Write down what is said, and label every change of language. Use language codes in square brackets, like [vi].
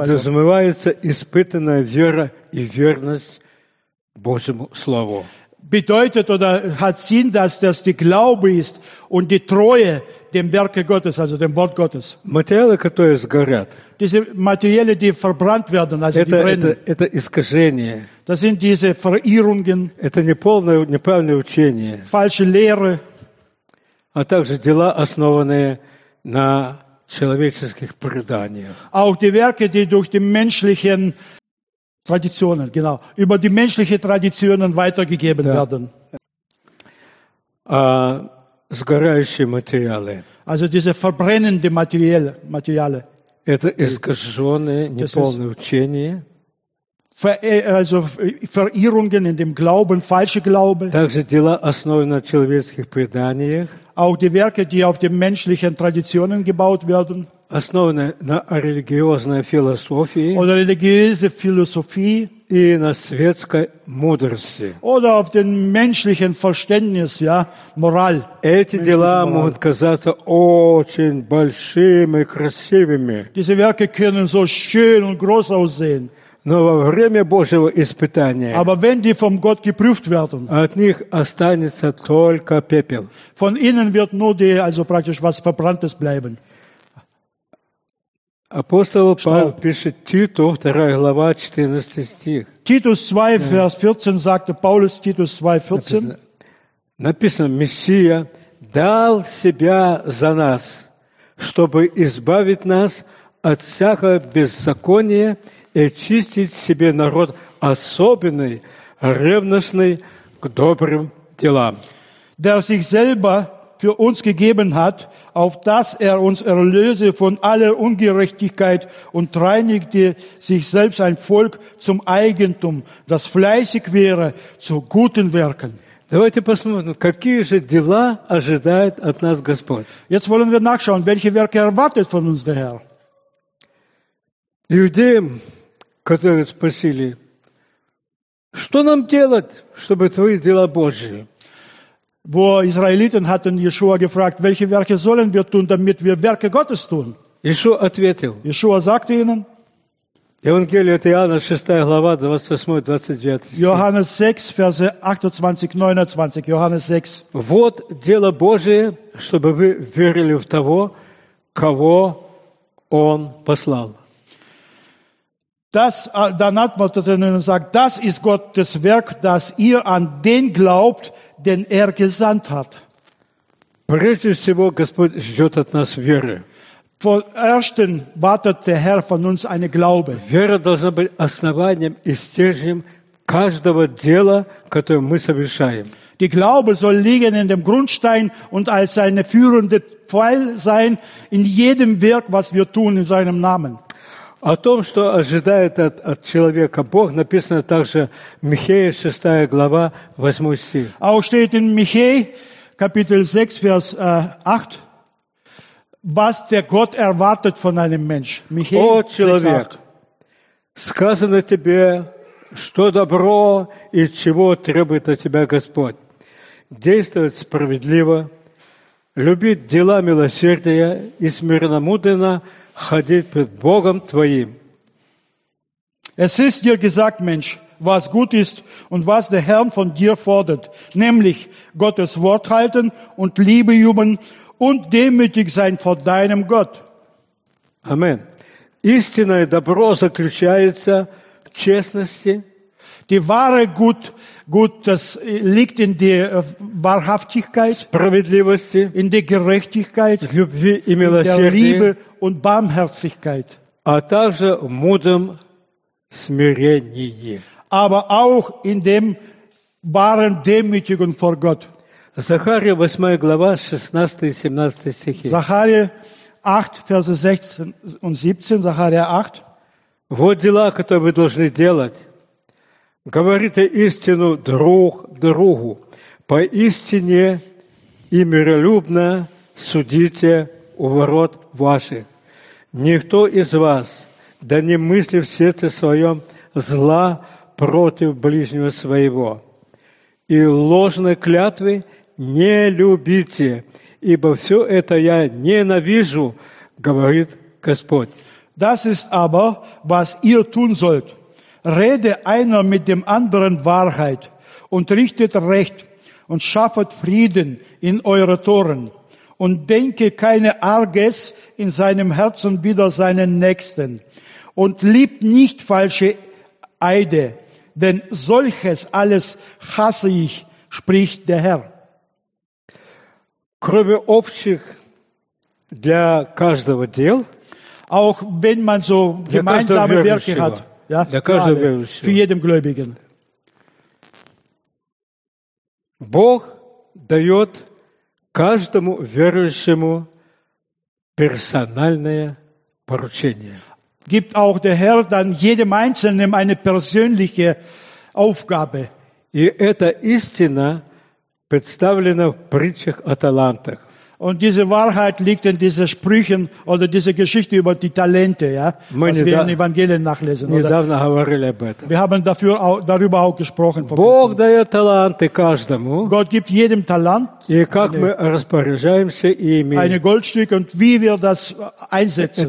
[ru] Подразумевается испытанная вера и верность Божьему слову. [de] Bedeutet oder hat Sinn, dass das die Glaube ist und die Treue dem Werke Gottes, also dem Wort Gottes. [ru] Материалы, которые сгорят. [de] Diese Materialien, die verbrannt werden, also [ru] это, [de] die brennen. [ru] Это искажение. [de] Das sind diese Verirrungen. [ru] Это неполное, неправильное учение. [de] Falsche Lehre. [ru] А также дела, основанные на человеческих преданиях. [de] Auch die Werke, die durch die menschlichen Traditionen, genau, über die menschlichen Traditionen weitergegeben [ru] да. [de] Werden. [ru] Сгорающие материалы. [de] Also diese verbrennenden Materialien. [ru] Это искаженные, неполные учения. [de] Also Verirrungen in dem Glauben, falsche Glaube. [ru] Также дела, основанные на человеческих преданиях. [de] Auch die Werke, die auf den menschlichen Traditionen gebaut werden. [ru] Основанные на религиозной философии. [de] Oder religiöse Philosophie. [ru] И на светской мудрости. [de] Oder auf den menschlichen Verständnis, ja, Moral. [ru] Эти дела могут казаться очень большими, красивыми. [de] Diese Werke können so schön und groß aussehen. [ru] Но во время Божьего испытания. [de] Aber wenn die vom Gott geprüft werden. [ru] От них останется только пепел. [de] Von ihnen wird nur die, also praktisch was Verbranntes bleiben. [ru] Апостол Павел пишет Титу, 2 глава, 14 стих. [de] Titus 2, Vers 14, sagt Paulus, Titus 2, 14. [ru] Написано, Мессия дал себя за нас, чтобы избавить нас от всякого беззакония и очистить себе народ особенный, ревностный к добрым делам. [de] Der sich selber für uns gegeben hat, auf dass uns erlöse von aller Ungerechtigkeit und reinigte sich selbst ein Volk zum Eigentum, das fleißig wäre zu guten Werken. [ru] Давайте посмотрим, какие же дела ожидает от нас Господь. [de] Jetzt wollen wir nachschauen, welche Werke erwartet von uns der Herr. [ru] Иудеям, которые спросили, что нам делать, чтобы твои дела Божьи? [de] Wo Israeliten hatten Jeschua gefragt, welche Werke sollen wir tun, damit wir Werke Gottes tun? [ru] Jeschua ответил. [de] Jeschua sagte ihnen. [ru] Евангелие от Иоанна, 6 глава, 28-29 стих. [de] Johannes 6, Verse 28-29. Johannes 6. [ru] Вот дело Божие, чтобы вы верили в того, кого Он послал. [de] Das, dann antwortet er und sagt, das ist Gottes Werk, dass ihr an den glaubt, den gesandt hat. [ru] Прежде всего, Господь ждет от нас веры. [de] Vorerst wartet der Herr von uns eine Glaube. [ru] Вера должна быть основанием и стержнем каждого дела, которое мы совершаем. [de] Die Glaube soll liegen in dem Grundstein und als eine führende Pfeil sein in jedem Werk, was wir tun in seinem Namen. [ru] О том, что ожидает от человека Бог, написано также в Михея 6 глава, 8 стих. [de] Auch steht in Michäa, Kapitel 6, Vers 8, was der Gott erwartet von einem Mensch. [ru] Михей, о, человек, 6, сказано тебе, что добро и чего требует от тебя Господь. действовать справедливо, любить дела милосердия и смиренно-мудренно ходить пред Богом твоим. [de] Es ist dir gesagt, Mensch, was gut ist und was der Herr von dir fordert, nämlich Gottes Wort halten und Liebe üben und demütig sein vor deinem Gott. Amen. [ru] Истинное добро заключается в честности. [de] Die wahre Gut, das liegt in der Wahrhaftigkeit, [ru] справедливости, [de] in der Gerechtigkeit, [ru] в любви и милосердии, [de] in der Liebe und Barmherzigkeit. [ru] А также в мудром смирении. [de] Aber auch in dem wahren Demütigung vor Gott. [ru] Захария 8 глава, 16-17 стихи. [de] Захария 8, Verse 16 und 17, Захария 8. [ru] Вот дела, которые вы должны делать. Говорите истину друг другу. Поистине и миролюбно судите у ворот ваших. Никто из вас, да не мысли в сердце своем зла против ближнего своего. И ложной клятвы не любите, ибо все это я ненавижу, говорит Господь. [de] Das ist aber, was ihr tun sollt. Rede einer mit dem anderen Wahrheit und richtet Recht und schaffet Frieden in eure Toren und denke keine Arges in seinem Herzen wider seinen Nächsten und liebt nicht falsche Eide, denn solches alles hasse ich, spricht der Herr. [ru] Кроме общих для каждого дел, [de] auch wenn man so gemeinsame Werke hat, ja, [ru] для каждого верующего, [de] für jeden Gläubigen. [ru] Бог дает каждому верующему персональное поручение. [de] Gibt auch der Herr dann jedem Einzelnen eine persönliche Aufgabe. [ru] И эта истина представлена в притчах о талантах. [de] Und diese Wahrheit liegt in diesen Sprüchen oder dieser Geschichte über die Talente, ja, was wir in den Evangelien nachlesen. [ru] Недавно говорили об этом. [de] Wir haben dafür auch, darüber auch gesprochen. [ru] Бог дает таланты каждому. [de] Gott gibt jedem Talent. [ru] И как мы распоряжаемся ими. [de] Ein Goldstück und wie wir das einsetzen.